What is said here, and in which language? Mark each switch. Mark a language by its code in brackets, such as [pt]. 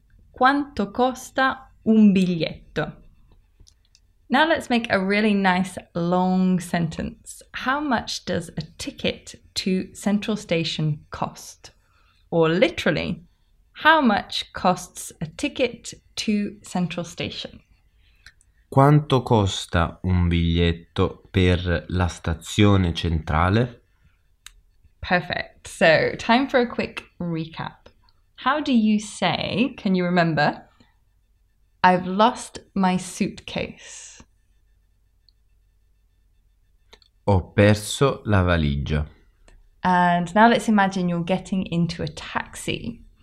[it] Quanto costa un biglietto? [en] Now let's make a really nice long sentence. How much does a ticket to Central Station cost? Or literally, how much costs a ticket to Central Station? [it] Quanto costa un biglietto per la stazione centrale? [en] Perfect. So, time for a quick recap. How do you say, can you remember, I've lost my suitcase? [it] Ho perso la valigia. [en] And now let's imagine you're getting into a taxi.